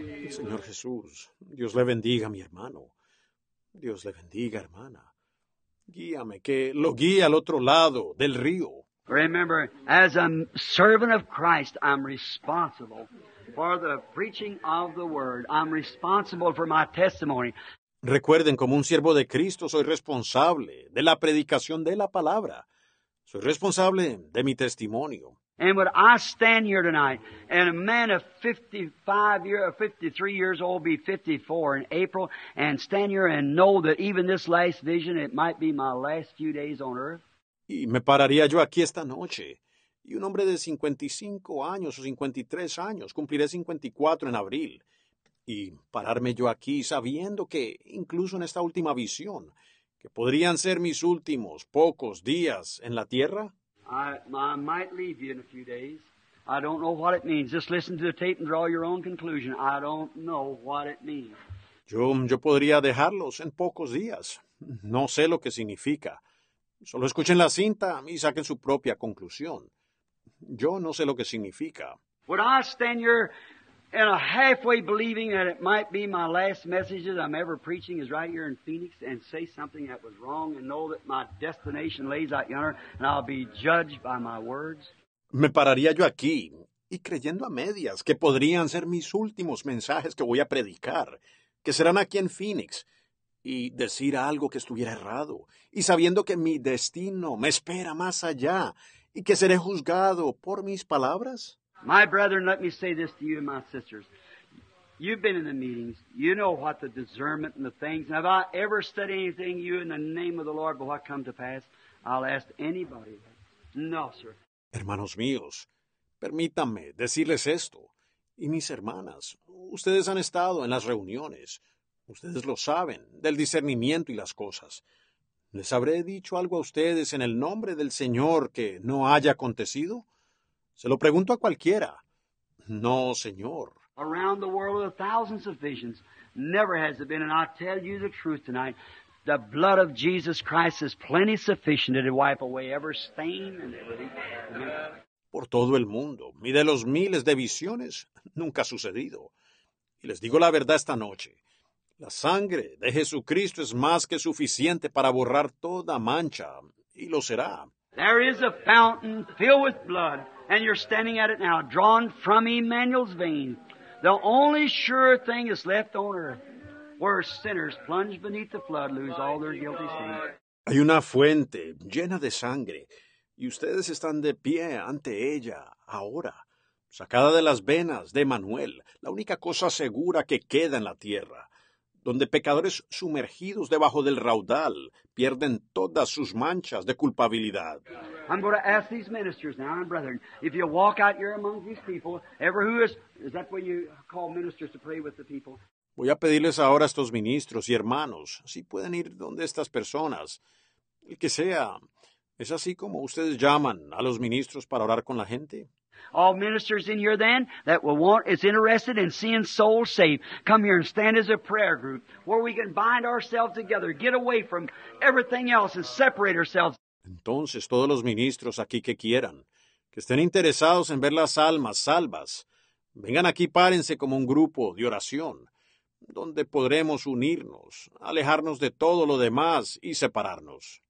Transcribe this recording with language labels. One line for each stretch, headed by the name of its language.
Spanish: Señor Jesús, Dios le bendiga, mi hermano. Dios le bendiga, hermana. Guíame, que lo guíe al otro lado del río.
English: Remember, as a servant of Christ, I'm responsible for the preaching of the word. I'm responsible for my testimony.
Spanish: Recuerden, como un siervo de Cristo, soy responsable de la predicación de la palabra. Soy responsable de mi testimonio.
English: And would I stand here tonight, and a man of 53 years old be 54 in April, and stand here and know that even this last vision, it might be my last few days on earth?
Spanish: Y me pararía yo aquí esta noche, y un hombre de 55 años o 53 años, cumpliré 54 en abril, y pararme yo aquí sabiendo que, incluso en esta última visión, que podrían ser mis últimos pocos días en la tierra.
English: I might leave you in a few days. I don't know what it means. Just listen to the tape and draw your own conclusion. I don't know what it means.
Spanish: Yo podría dejarlos en pocos días. No sé lo que significa. Solo escuchen la cinta y saquen su propia conclusión. Yo no sé lo que significa.
English: Would I stand here and a halfway believing that it might be my last message that I'm ever preaching is right here in Phoenix and say something that was wrong and know that my destination lays out yonder and I'll be judged by my words?
Spanish: Me pararía yo aquí y creyendo a medias que podrían ser mis últimos mensajes que voy a predicar, que serán aquí en Phoenix, y decir algo que estuviera errado, y sabiendo que mi destino me espera más allá, y que seré juzgado por mis palabras.
English: My brethren, let me say this to you and my sisters. You've been in the meetings. You know what the discernment and the things. And have I ever said anything you in the name of the Lord but what come to pass? I'll ask anybody. No, sir.
Spanish: Hermanos míos, permítanme decirles esto. Y mis hermanas, ustedes han estado en las reuniones. Ustedes lo saben, del discernimiento y las cosas. ¿Les habré dicho algo a ustedes en el nombre del Señor que no haya acontecido? Se lo pregunto a cualquiera. No, Señor.
English: Around the world are thousands of visions. Never has it been, and I'll tell you the truth tonight. The blood of Jesus Christ is plenty sufficient to wipe away every stain and everything. Amen.
Spanish: Por todo el mundo, mi de los miles de visiones, nunca ha sucedido. Y les digo la verdad esta noche. La sangre de Jesucristo es más que suficiente para borrar toda mancha, y lo será.
English: There is a fountain filled with blood, and you're standing at it now, drawn from Emmanuel's vein. The only sure thing is left on earth, where sinners plunged beneath the flood lose all their guilty sins.
Spanish: Hay una fuente llena de sangre, y ustedes están de pie ante ella ahora, sacada de las venas de Emmanuel, la única cosa segura que queda en la tierra, donde pecadores sumergidos debajo del raudal pierden todas sus manchas de culpabilidad.
English: I'm going to ask these ministers now, and brethren, if you walk out here among these people, ever who is that what you call ministers to pray with the people?
Spanish: Voy a pedirles ahora a estos ministros y hermanos, si pueden ir donde estas personas, el que sea, ¿es así como ustedes llaman a los ministros para orar con la gente?
English: All ministers in here then that will want is interested in seeing souls saved. Come here and stand as a prayer group where we can bind ourselves together, get away from everything else and separate ourselves.
Spanish: Entonces, todos los ministros aquí que quieran, que estén interesados en ver las almas salvas, vengan aquí, párense como un grupo de oración, donde podremos unirnos, alejarnos de todo lo demás y separarnos.